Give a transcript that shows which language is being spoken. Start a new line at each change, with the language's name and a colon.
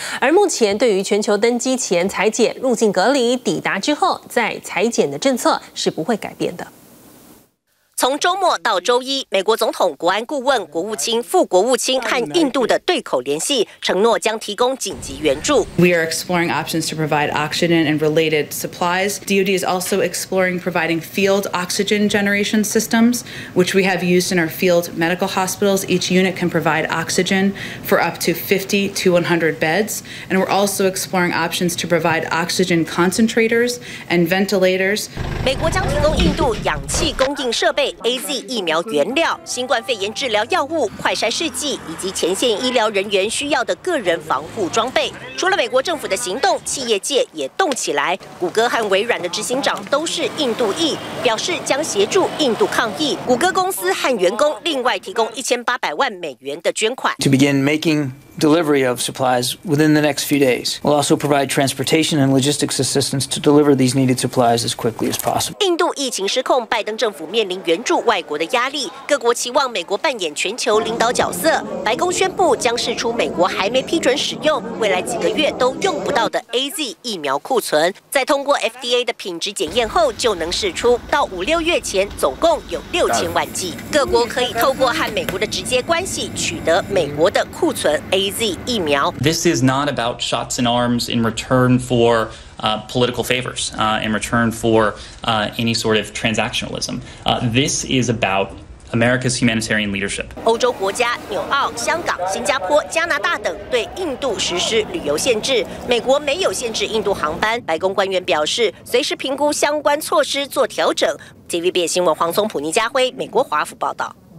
Chinese: 而目前对于全球登机前采检、入境隔离、抵达之后再采检的政策是不会改变的。从周末到周一，美国总统国安顾问、国务卿、副国务卿和印度的对口联系，承诺将提供紧急援助。
English: We are exploring options to provide oxygen and related supplies. DoD is also exploring providing field oxygen generation systems, which we have used in our field medical hospitals. Each unit can provide oxygen for up to 50 to 100 beds. And we're also exploring options to provide oxygen concentrators and ventilators.
Chinese: 美国将提供印度氧气供应设备。AZ 疫苗原料、新冠肺炎治疗药物、快筛试剂以及前线医疗人员需要的个人防护装备。除了美国政府的行动，企业界也动起来。谷歌和微软的执行长都是印度裔，表示将协助印度抗疫。谷歌公司和员工另外提供1800万美元的捐款。
English: To begin making delivery of supplies within the next few days. We'll also provide transportation and logistics assistance to deliver these needed supplies as quickly as possible.
Chinese: 印度疫情失控，拜登政府面临援助外国的压力，各国期望美国扮演全球领导角色。白宫宣布将释出美国还没批准使用、未来几个月都用不到的 AZ 疫苗库存，在通过 FDA 的品质检验后就能释出，到五六月前总共有6000万剂。各国可以透过和美国的直接关系取得美国的库存 AZ 疫苗。
English: This is not about shots in arms in return for political favors, in return for any sort of transactionalism. This is about America's humanitarian leadership.
Chinese: 欧洲国家、纽澳、香港、新加坡、加拿大等对印度实施旅游限制。美国没有限制印度航班。白宫官员表示，随时评估相关措施做调整。 TVBS 新闻黄松普、倪家辉，美国华府报道。